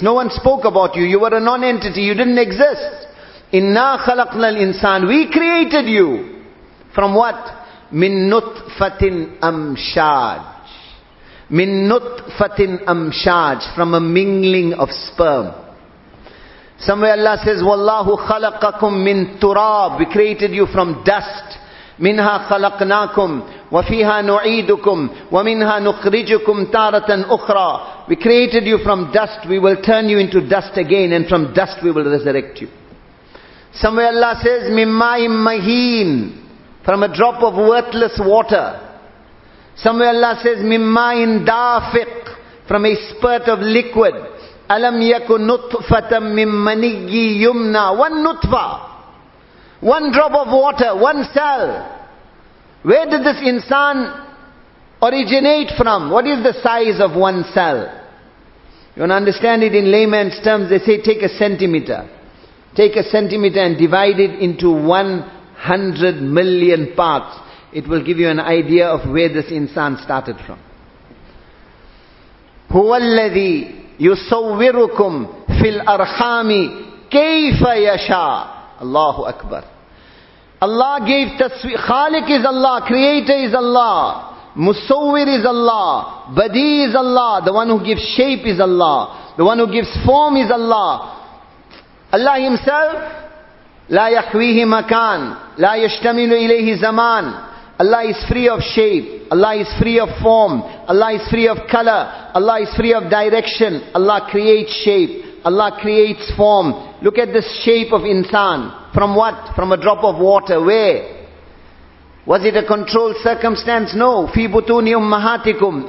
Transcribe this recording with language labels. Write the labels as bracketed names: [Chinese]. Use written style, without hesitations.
[English] No one spoke about you. You were a non-entity. You didn't exist. [Arabic] إِنَّا خَلَقْنَا الْإِنسَانِ. [English] We created you. From what? [Arabic] مِنْ نُطْفَةٍ أَمْشَاجٍ. مِنْ نُطْفَةٍ أَمْشَاجٍ. [English] From a mingling of sperm. Somewhere Allah says, [Arabic] وَاللَّهُ خَلَقَكُمْ مِنْ تُرَابٍ. [English] We created you from dust. [Arabic] منها خلقناكم وفيها نعيدكم ومنها نخرجكم تارة أخرى. [English] We created you from dust, we will turn you into dust again, and from dust we will resurrect you. Somewhere Allah says, [Arabic] من ماء مهين, [English] from a drop of worthless water. Somewhere Allah says, [Arabic] من ماء دافق, [English] from a spurt of liquid. [Arabic] ألم يكن نطفة من مني يمنى. [English] One [Arabic] نطفة. [English] One drop of water, one cell. Where did this insan originate from? What is the size of one cell? You want to understand it in layman's terms, they say take a centimeter. Take a centimeter and divide it into 100 million parts. It will give you an idea of where this insan started from. [Arabic] هو الذي يصوركم في الأرحام كيف يشاء. [English] Allahu Akbar. Allah gave taswir. Khaliq is Allah. Creator is Allah. Musawwir is Allah. Badi is Allah. The one who gives shape is Allah. The one who gives form is Allah. Allah himself, [Arabic] لا يحويه مكان لا يشتمل إليه زمان. [English] Allah is free of shape. Allah is free of form. Allah is free of color. Allah is free of direction. Allah creates shape. Allah creates form. Look at this shape of insan. From what? From a drop of water. Where? Was it a controlled circumstance? No. [Arabic] في بطون أمهاتكم.